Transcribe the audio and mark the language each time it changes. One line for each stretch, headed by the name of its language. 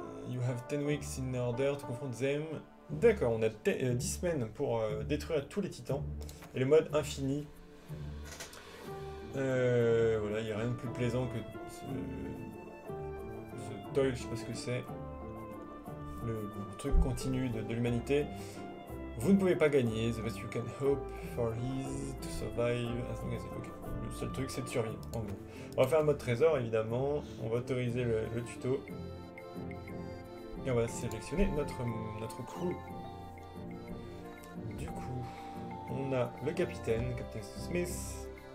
English: You have 10 weeks in order to confront them.
French: D'accord, on a 10 semaines pour détruire tous les titans. Et le mode infini. Voilà, il n'y a rien de plus plaisant que ce toil, je ne sais pas ce que c'est. Le truc continu de l'humanité. Vous ne pouvez pas gagner.
English: The best you can hope for is to survive as long as you can.
French: Le seul truc, c'est de survivre, en gros. On va faire un mode trésor, évidemment. On va autoriser le tuto. Et on va sélectionner notre crew. Du coup, on a le capitaine, Captain Smith.